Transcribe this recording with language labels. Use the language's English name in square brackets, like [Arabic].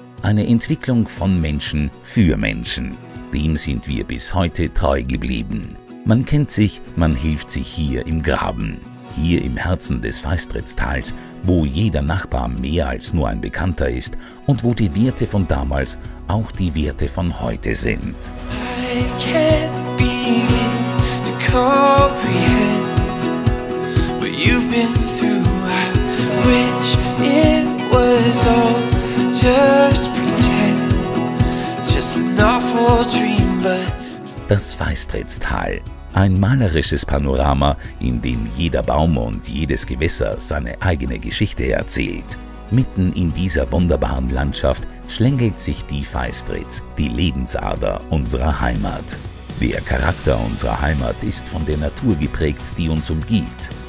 [German] Eine Entwicklung von Menschen für Menschen. Dem sind wir bis heute treu geblieben. Man kennt sich, man hilft sich hier im Graben. Hier im Herzen des Feistritztals, wo jeder Nachbar mehr als nur ein Bekannter ist und wo die Werte von damals auch die Werte von heute sind. [English] I can't begin to comprehend what you've been through. I wish it was all just pretend, just an awful dream, but... [German] Das Feistritztal. Ein malerisches Panorama, in dem jeder Baum und jedes Gewässer seine eigene Geschichte erzählt. Mitten in dieser wunderbaren Landschaft schlängelt sich die Feistritz, die Lebensader unserer Heimat. Der Charakter unserer Heimat ist von der Natur geprägt, die uns umgibt.